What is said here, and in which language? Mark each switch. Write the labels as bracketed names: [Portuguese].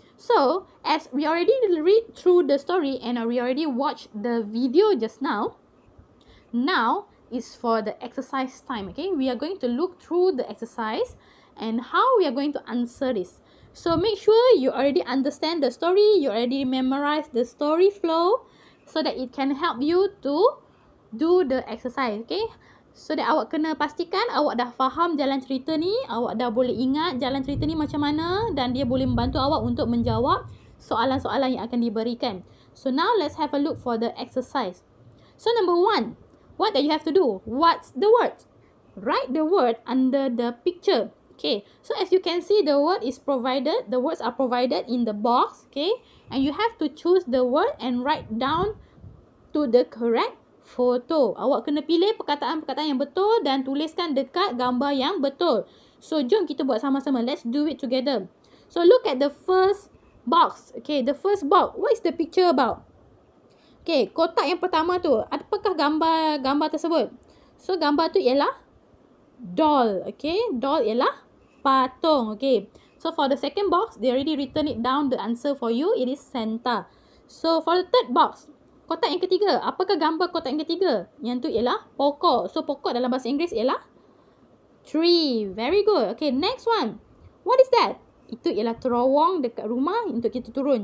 [English] So as we already read through the story and we already watched the video just now, now is for the exercise time, okay? We are going to look through the exercise and how we are going to answer this. So, make sure you already understand the story, you already memorize the story flow so that it can help you to do the exercise, okay? So that [Malay] awak kena pastikan awak dah faham jalan cerita ni, awak dah boleh ingat jalan cerita ni macam mana dan dia boleh membantu awak untuk menjawab soalan-soalan yang akan diberikan. [English] So, now let's have a look for the exercise. So, number one, what that you have to do? What's the word? Write the word under the picture. Okay. So as you can see, the word is provided. The words are provided in the box. Okay. And you have to choose the word and write down to the correct [Malay] Foto. Awak kena pilih perkataan-perkataan yang betul dan tuliskan dekat gambar yang betul. [English] So, [Malay] jom kita buat sama-sama. [English] Let's do it together. So, look at the first box. Okay, the first box. What is the picture about? [Malay] Okay, kotak yang pertama tu. Apakah gambar-gambar tersebut? So, gambar tu ialah doll. Okay, doll ialah patung. [English] Okay, so for the second box, they already written it down the answer for you. It is Santa. So, for the third box, [Malay] kotak yang ketiga. Apakah gambar kotak yang ketiga? Yang tu ialah pokok. [English] So, [Malay] pokok dalam bahasa Inggeris ialah tree. [English] Very good. Okay, next one. What is that? [Malay] Itu ialah terowong dekat rumah untuk kita turun.